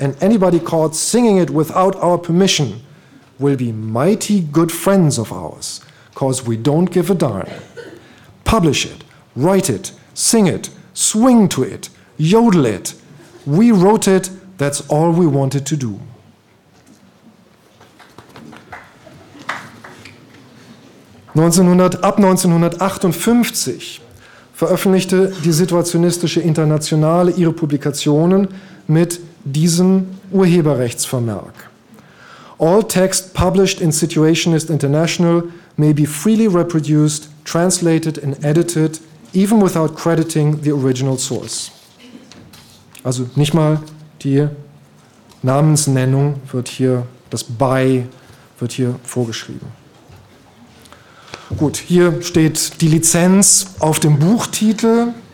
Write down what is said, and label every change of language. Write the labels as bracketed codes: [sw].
[en] And anybody caught singing it without our permission will be mighty good friends of ours, cause we don't give a darn. Publish it, write it, sing it, swing to it, yodel it. We wrote it, that's all we wanted to do. [de] Ab 1958 veröffentlichte die Situationistische Internationale ihre Publikationen mit diesem Urheberrechtsvermerk. [en] All text published in Situationist International may be freely reproduced, translated and edited, even without crediting the original source. [de] Also nicht mal die Namensnennung wird hier, das by wird hier vorgeschrieben. Gut, hier steht die Lizenz auf dem Buchtitel.